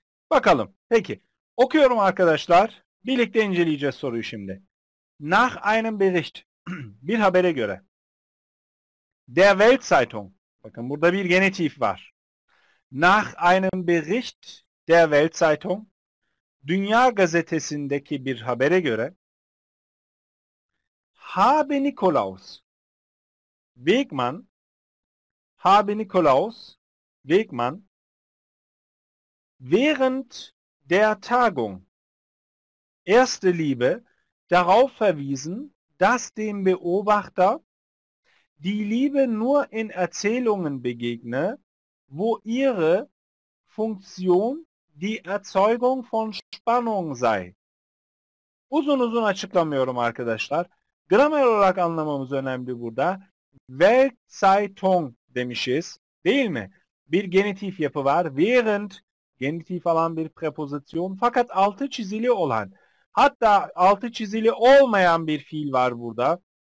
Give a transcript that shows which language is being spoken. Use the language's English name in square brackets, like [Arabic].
[Turkish] Bakalım. Peki. Okuyorum arkadaşlar. Birlikte inceleyeceğiz soruyu şimdi. [German] Nach einem Bericht. [Turkish] Bir habere göre. [German] Der Weltzeitung. [Turkish] Bakın burada bir genitif var. [German] Nach einem Bericht der Weltzeitung. [Turkish] Dünya gazetesindeki bir habere göre. [German] Habe Nikolaus. Wegmann, habe Nikolaus Wegmann während der Tagung erste Liebe darauf verwiesen, dass dem Beobachter die Liebe nur in Erzählungen begegne, wo ihre Funktion die Erzeugung von Spannung sei. [Turkish] Uzun uzun açıklamıyorum arkadaşlar. Gramer olarak anlamamız önemli burada. Weltzeitung demişiz. Değil mi? Bir genitif yapı var. Während genitif alan bir prepozisyon. Fakat altı çizili olan, hatta altı çizili olmayan bir fiil var burada.